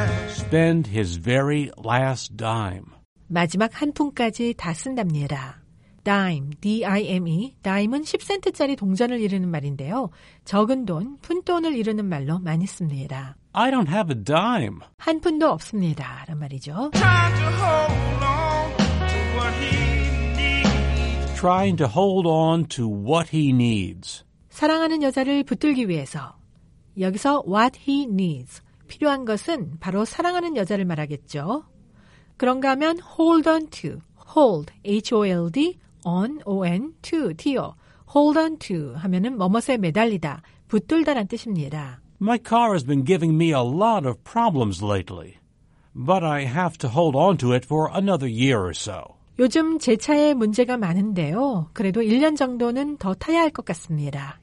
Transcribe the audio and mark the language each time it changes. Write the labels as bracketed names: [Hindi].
[English] Spend his very last dime. [Korean] 마지막 한 푼까지 다 쓴답니다. Dime, D-I-M-E, dime은 10센트짜리 동전을 이르는 말인데요. 적은 돈, 푼돈을 이르는 말로 많이 씁니다. [English] I don't have a dime. [Korean] 한 푼도 없습니다. 라는 말이죠. [English] Trying to hold on to what he needs. Trying to hold on to what he needs. [Korean] 사랑하는 여자를 붙들기 위해서. 여기서 [English] what he needs. [Korean] 필요한 것은 바로 사랑하는 여자를 말하겠죠. 그런가 하면 [English] hold on to, hold, H-O-L-D, on, O-N, to, T-O. Hold on to [Korean] 하면은 뭐뭐에 매달리다, 붙들다란 뜻입니다. [English] My car has been giving me a lot of problems lately, but I have to hold on to it for another year or so. [Korean] 요즘 제 차에 문제가 많은데요. 그래도 1년 정도는 더 타야 할 것 같습니다.